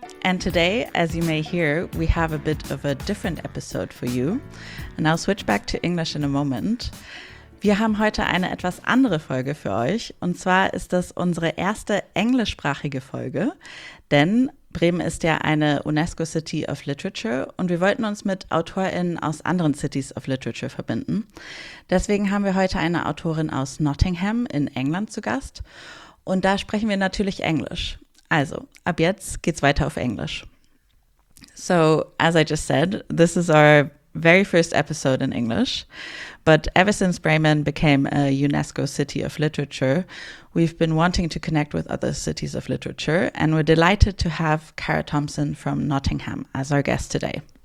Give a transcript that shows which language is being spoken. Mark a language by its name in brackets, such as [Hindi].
[English] And today, as you may hear, we have a bit of a different episode for you. And I'll switch back to English in a moment. [German] Wir haben heute eine etwas andere Folge für euch. Und zwar ist das unsere erste englischsprachige Folge. Denn Bremen ist ja eine UNESCO City of Literature und wir wollten uns mit AutorInnen aus anderen Cities of Literature verbinden. Deswegen haben wir heute eine Autorin aus Nottingham in England zu Gast und da sprechen wir natürlich Englisch. Also, ab jetzt geht's weiter auf Englisch. [English] So, as I just said, this is our very first episode in English, but ever since Bremen became a UNESCO City of Literature, we've been wanting to connect with other cities of literature, and we're delighted to have Kara Thompson from Nottingham as our guest today.